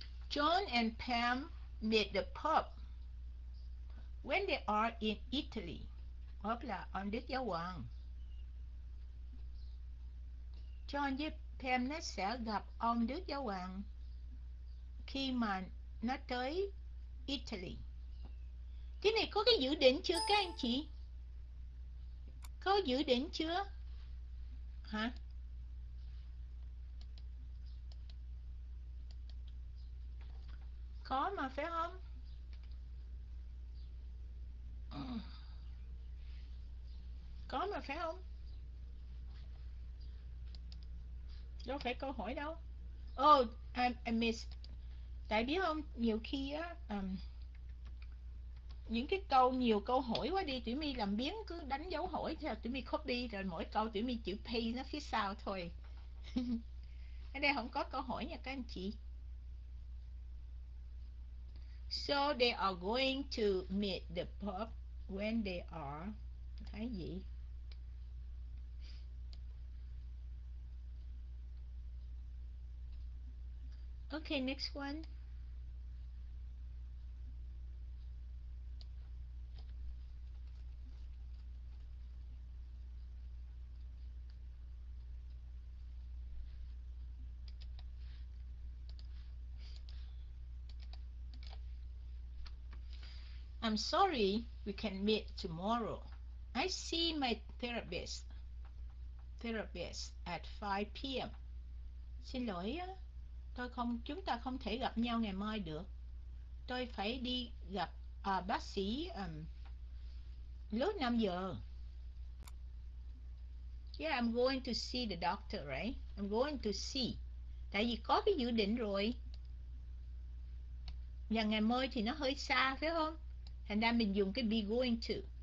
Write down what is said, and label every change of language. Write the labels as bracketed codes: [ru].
[en] John and Pam meet the Pope when they are in Italy. [vi] Pop là ông Đức Giáo Hoàng. John với Pam nó sẽ gặp ông Đức Giáo Hoàng khi mà nó tới Italy. Cái này có cái dự định chưa các anh chị? Có dự định chưa? Hả? Có mà phải không? Có mà phải không? Đâu phải câu hỏi đâu. [en] Oh, I miss. [vi] Tại biết không, nhiều khi á, những cái câu, nhiều câu hỏi quá đi, tụi mi làm biến cứ đánh dấu hỏi, tụi mi copy, rồi mỗi câu tụi mi chữ P nó phía sau thôi. Ở đây không có câu hỏi nha các anh chị. [en] So they are going to meet the Pope when they are. [vi] Thấy gì? [en] Okay, next one. I'm sorry, we can meet tomorrow. I see my therapist at 5 p.m. [vi] Xin lỗi, chúng ta không thể gặp nhau ngày mai được. Tôi phải đi gặp bác sĩ lúc 5 giờ. [en] Yeah, I'm going to see the doctor, right? I'm going to see. [vi] Tại vì có cái dự định rồi. Và ngày mai thì nó hơi xa, phải không? Thành ra mình dùng cái be going to.